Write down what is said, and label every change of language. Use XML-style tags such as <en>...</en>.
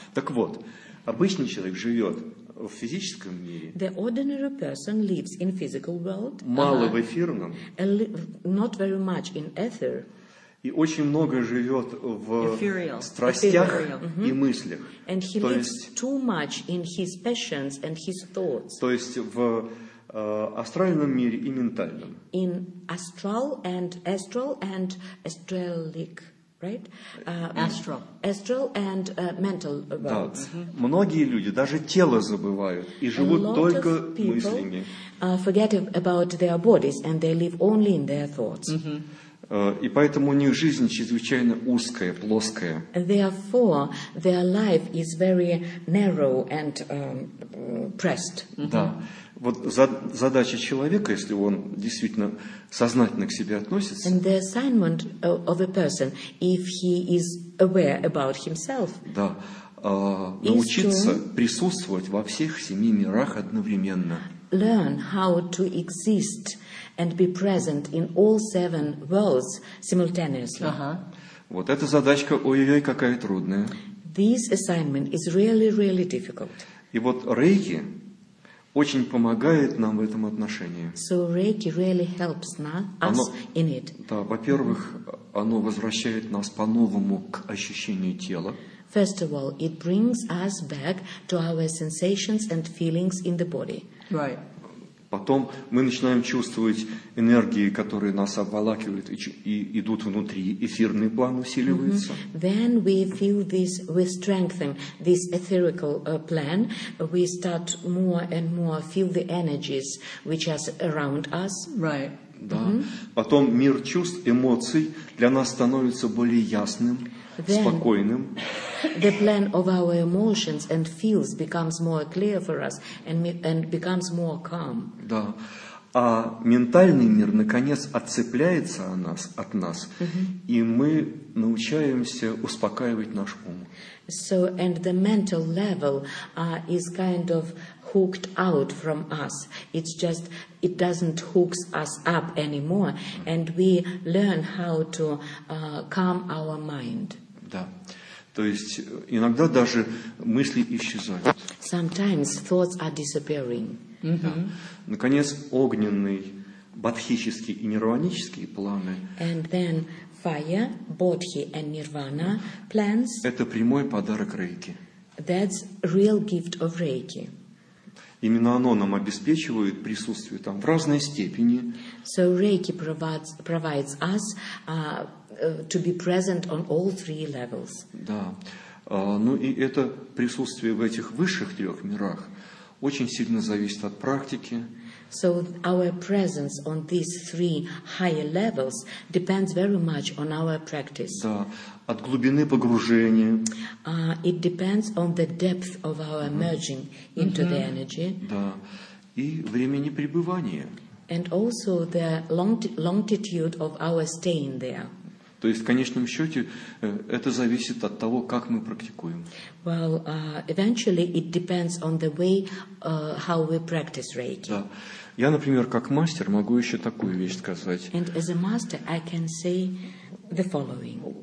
<ru>Так вот, обычный человек живет в физическом мире.</ru> <en>The ordinary person lives in physical world.</en> <ru>Мало в эфирном.</ru> <en>Not very much in ether.</en> <ru>И очень много живет в страстях и мыслях.</ru> <en>And he lives too much in his passions and his thoughts.</en> <ru>То есть в астральном мире и ментальном.</ru> <en>In astral and astral and astralic. Right? Astral and mental worlds.</en> <ru>Да. Многие люди даже тело забывают и живут только мыслями.</ru> <en>Forget about their bodies and they live only in their thoughts.</en> <ru>И поэтому у них жизнь чрезвычайно узкая, плоская.</ru> <en>Therefore, their life is very narrow and pressed.</en> <ru>Да. Вот задача человека, если он действительно сознательно к себе относится.</ru> <en>And the assignment of a person, if he is aware about himself.</en> <ru>Да. Научиться присутствовать во всех семи мирах одновременно.</ru> <en>Learn how to exist and be present in all seven worlds simultaneously.</en> <ru>Вот эта задачка, ой-ой-ой, какая трудная.</ru> <en>This assignment is really, really difficult.</en> <ru>И вот рейки очень помогает нам в этом отношении.</ru> <en>So reiki really helps us in it.</en> <ru>Да, во-первых, оно возвращает нас по-новому к ощущению тела.</ru> <en>First of all, it brings us back to our sensations and feelings in the body. Right.</en> <ru>Потом мы начинаем чувствовать энергии, которые нас обволакивают и идут внутри. Эфирный план усиливается.</ru> <en>Then we feel this, we strengthen this etherical plan. We start more and more feel the energies which are around us. Right.</en> <ru>Да. Потом мир чувств, эмоций для нас становится более ясным,</ru> <en>then</en> <ru>спокойным.</ru> <en>The plan of our emotions and feels becomes more clear for us and becomes more calm.</en> <ru>Да. А ментальный мир, наконец, отцепляется от нас, и мы научаемся успокаивать наш ум.</ru> <en>So, and the mental level is kind of hooked out from us. It's just, it doesn't hook us up anymore, and we learn how to calm our mind.</en> <ru>Да. То есть иногда даже мысли исчезают.</ru> <en>Sometimes thoughts are disappearing.</en> <ru>Да. Наконец, огненный, бодхический и нирванический планы.</ru> <en>And then fire, bodhi and nirvana plans.</en> <ru>Это прямой подарок рейки.</ru> <en>That's real gift of reiki.</en> <ru>Именно оно нам обеспечивает присутствие там в разной степени.</ru> <en>So reiki provides us to be present on all three levels.</en> <ru>Да. Ну и это присутствие в этих высших трех мирах очень сильно зависит от практики.</ru> <en>So our presence on these three higher levels depends very much on our practice.</en> <ru>Да, от глубины погружения.</ru> <en>It depends on the depth of our merging into the energy.</en> <ru>Да, и времени пребывания.</ru> <en>And also the longitude of our staying there.</en> <ru>То есть, в конечном счете, это зависит от того, как мы практикуем.</ru> <en>Well, eventually it depends on the way how we practice Reiki.</en> <ru>Да. Я, например, как мастер могу еще такую вещь сказать.</ru> <en>And as a master, I can say the following.</en>